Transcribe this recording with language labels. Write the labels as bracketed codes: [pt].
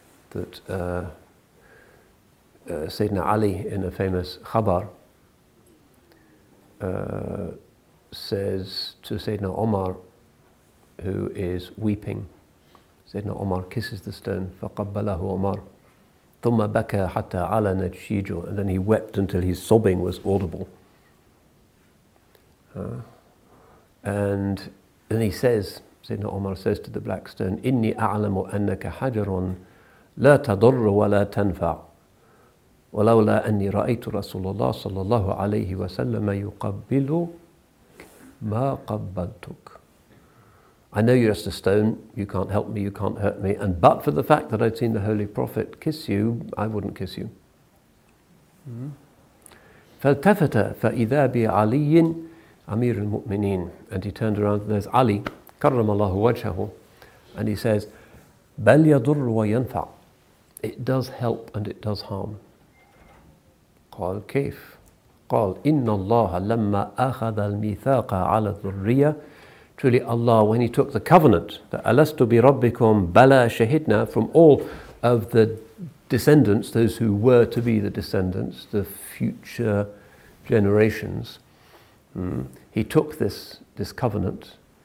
[en] That Sayyidina Ali, in a famous khabar, says to Sayyidina Omar, who is weeping, Sayyidina Omar kisses the stone, [ar] فَقَبَّلَهُ [en] Omar, [ar] ثُمَّ بَكَى حَتَّى عَلَى نَجْشِيجُ, [en] and then he wept until his sobbing was audible. And then he says, Sayyidina Omar says to the black stone, [ar] إِنِّي أَعْلَمُ أَنَّكَ حَجَرٌ لَا تَضُرُّ وَلَا تَنْفَعُ ولولا أني رأيت رسول الله صلى الله عليه وسلم يقبل ما قبلتك. [en] I know you're just a stone, you can't help me, you can't hurt me, and but for the fact that I'd seen the Holy Prophet kiss you, I wouldn't kiss you. [ar] فالتفت فإذا بعلي أمير المؤمنين. [en] And he turned around, there's Ali, كرم الله وجهه, and he says, [ar] بل يضر وينفع. [en] It does help and it does harm. [ar] قال كيف؟ قال إن الله لما أخذ الميثاق على الذرية. [en] Truly Allah, when he took the covenant, that [ar] أَلَسْتُ بِرَبِّكُمْ بَلَى شَهِدْنَا, [en] from all of the descendants, those who were to be the descendants, the future generations, he took this covenant.